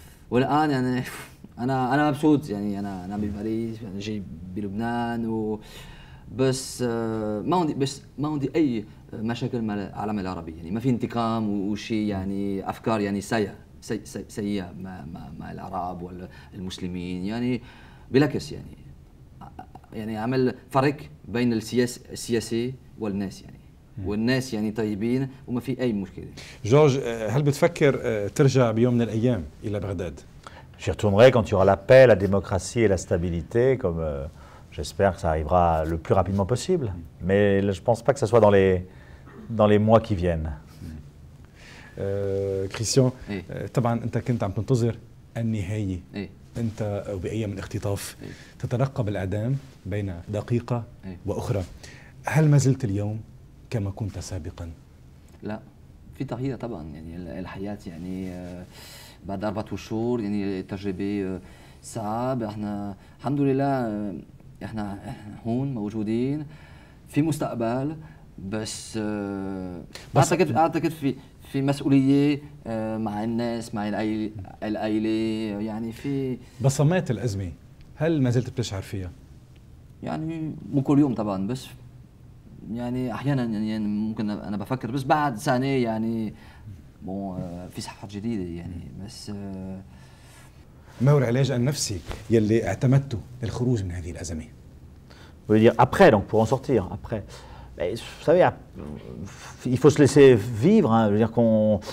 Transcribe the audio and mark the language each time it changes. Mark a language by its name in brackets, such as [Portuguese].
[Arabic] والآن يعني أنا مبسوط، يعني أنا بباريس، أنا جاي بلبنان، بس ما عندي أي مشاكل مع العالم العربي، يعني ما في انتقام وشيء، يعني أفكار يعني سيئة مع العرب والمسلمين، يعني بالعكس، يعني عمل فرق بين السياسي والناس، يعني والناس يعني طيبين وما في أي مشكلة. جورج، هل بتفكر ترجع بيوم من الأيام إلى بغداد؟ [French] J'y retournerai quand il y aura la paix, la démocratie et la stabilité, comme j'espère que ça arrivera le plus rapidement possible. Mais je pense pas que ça soit dans les mois qui viennent. [Arabic] كريستيان، طبعا انت كنت عم تنتظر النهاية إيه؟ انت او بأي من اختطاف إيه؟ تترقب الاعدام بين دقيقة إيه؟ واخرى. هل ما زلت اليوم كما كنت سابقا؟ لا، في تغيير طبعا، يعني الحياة يعني بعد 4 شهور يعني تجربة صعبة. احنا الحمد لله احنا هون موجودين في مستقبل، بس اعتقد في مسؤولية مع الناس، مع العائلة، يعني في بصمات الأزمة. هل ما زلت بتشعر فيها؟ يعني مو كل يوم طبعا، بس يعني احيانا يعني ممكن انا بفكر، بس بعد سنة يعني في صحة جديدة يعني. بس ما هو العلاج النفسي يلي اعتمدته للخروج من هذه الأزمة؟ [French] Vous voulez dire après, donc pour en sortir, après. Mais vous savez, il faut se laisser vivre, hein, je veux dire qu'on...